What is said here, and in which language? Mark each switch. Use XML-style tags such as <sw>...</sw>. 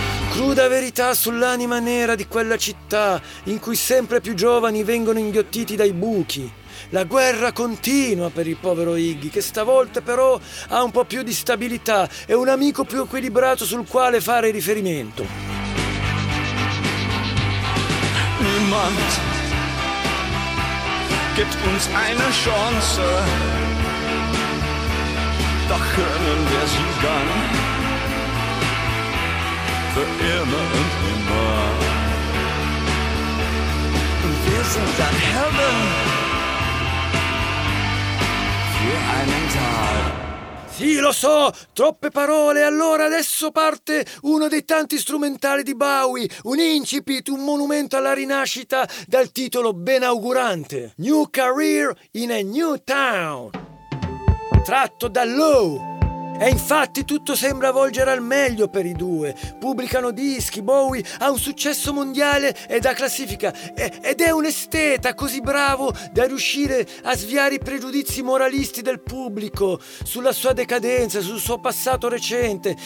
<it>Cruda verità sull'anima nera di quella città in cui sempre più giovani vengono inghiottiti dai buchi. La guerra continua per il povero Iggy, che stavolta però ha un po' più di stabilità e un amico più equilibrato sul quale fare riferimento.</it> <de>Niemand gibt uns eine Chance, doch können wir sie dann für immer und immer. Und wir sind dann Helden für einen Tag.</de> <it>Sì, lo so, troppe parole, allora adesso parte uno dei tanti strumentali di Bowie, un incipit, un monumento alla rinascita dal titolo benaugurante. New Career in a New Town, tratto da Low. E infatti tutto sembra volgere al meglio per i due. Pubblicano dischi, Bowie ha un successo mondiale e da classifica. Ed è un esteta così bravo da riuscire a sviare i pregiudizi moralisti del pubblico sulla sua decadenza, sul suo passato recente.</it>